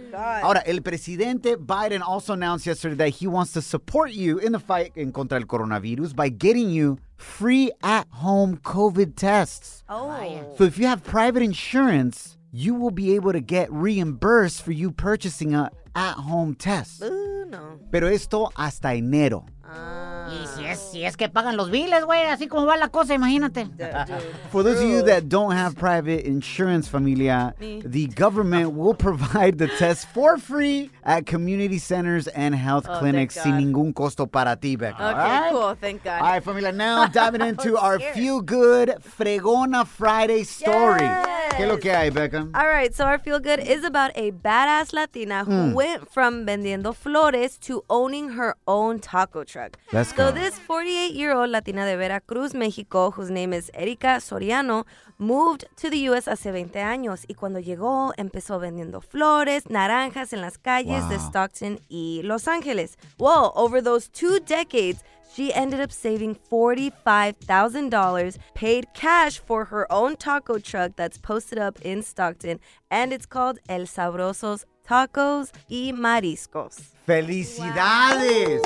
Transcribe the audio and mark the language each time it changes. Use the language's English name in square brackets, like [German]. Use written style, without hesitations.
[Spanish] Ahora, el presidente [English] Biden also announced yesterday that he wants to support you in the fight [Spanish] en contra el coronavirus [English] by getting you free at-home COVID tests. Oh. Wow. So if you have private insurance, you will be able to get reimbursed for you purchasing a at-home test. No. [Spanish] Pero esto hasta enero. Ah. Y si es que pagan los biles, güey, así como va la cosa, imagínate. [English] For those of you that don't have private insurance, familia, the government will provide the test for free at community centers and health clinics [Spanish] sin ningún costo para ti, [English] Becca. Okay, right? Cool, thank God. All right, familia, now diving into our feel-good Fregona Friday story. Yes. [Spanish] ¿Qué es lo que hay, Becca? [English] All right, so our feel-good is about a badass Latina who went from [Spanish] vendiendo flores [English] to owning her own taco truck. Let's go. So this 48-year-old Latina de Veracruz, Mexico, whose name is Erika Soriano, moved to the U.S. [Spanish] hace 20 años. Y cuando llegó, empezó vendiendo flores, naranjas en las calles de Stockton y Los Ángeles. [English] Well, over those two decades, she ended up saving $45,000, paid cash for her own taco truck that's posted up in Stockton, and it's called El Sabroso's Tacos y Mariscos. [Spanish] ¡Felicidades!